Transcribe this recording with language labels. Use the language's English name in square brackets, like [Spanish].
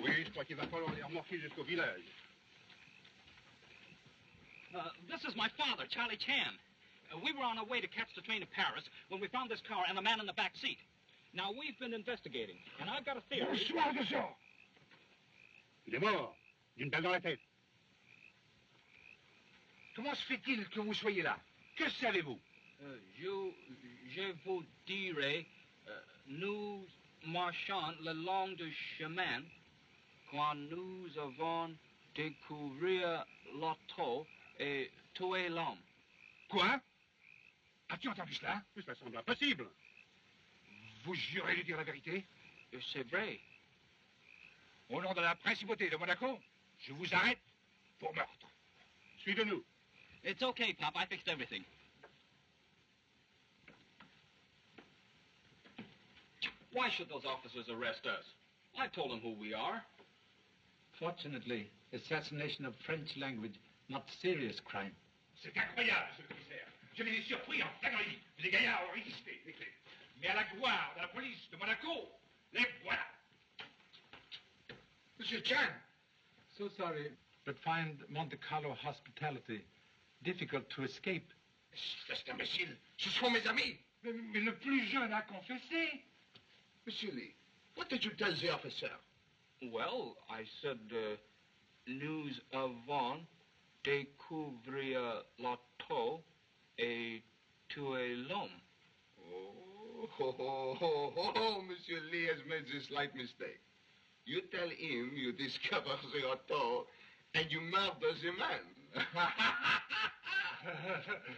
[French] Oui, je crois qu'il va falloir les remorquer jusqu'au village. [English] This is my father, Charlie Chan. We were on our way to catch the train to Paris when we found this car and a man in the back seat. Now, we've been investigating, and I've got a theory... [French] Bonsoir, monsieur! Il est mort, d'une balle dans la tête. Comment se fait-il que vous soyez là? Que savez-vous? Je vous dirai, nous... marchant le long du chemin, quand nous avons découvert l'auto et tué l'homme. Quoi? As-tu entendu cela? Ça semble impossible. Vous jurez de dire la vérité? C'est vrai. Au nom de la principauté de Monaco, je vous arrête pour meurtre. Suivez-nous. [English] It's okay, Pop. I fixed everything. Why should those officers arrest us? I told them who we are. Fortunately, assassination of French language, not serious crime. [French] C'est incroyable, monsieur le commissaire. Je les ai surpris en flagrant. Les gaillards ont résisté. Mais à la gloire de la police de Monaco, les voilà. Monsieur Chan. [English] So sorry, but find Monte Carlo hospitality difficult to escape. [French] Cet imbécile, ce sont mes amis. Mais le plus jeune a confessé. [English] Monsieur Lee, what did you tell the officer? Well, I said, [French] nous avons découvert l'auto et tué l'homme. [English] Oh, Monsieur Lee has made this slight mistake. You tell him you discover the auto and you murder the man. Ha, ha, ha, ha, ha.